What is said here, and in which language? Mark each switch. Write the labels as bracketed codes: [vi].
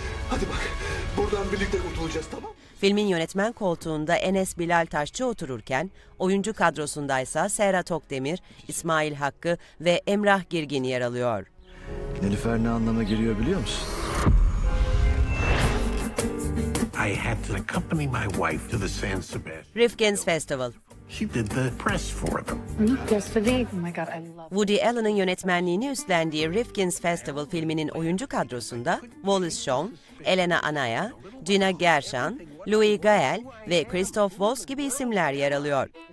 [tr] Hadi bak. Buradan birlikte kurtulacağız, tamam mı? Filmin yönetmen koltuğunda Enes Bilal Taşçı otururken, oyuncu kadrosundaysa Serhat Okdemir, İsmail Hakkı ve Emrah Girgin yer alıyor. Nilüfer ne anlama geliyor biliyor musun? [en] I had to accompany my wife to the San Sebastian. Rifkin's Festival. She did the press for them. Not just for them. Oh my God, I love. [tr] Woody Allen'ın yönetmenliğini üstlendiği Rifkin's Festival filminin oyuncu kadrosunda Wallace Shawn, Elena Anaya, Gina Gershon, Louis Gael ve Christoph Waltz gibi isimler yer alıyor.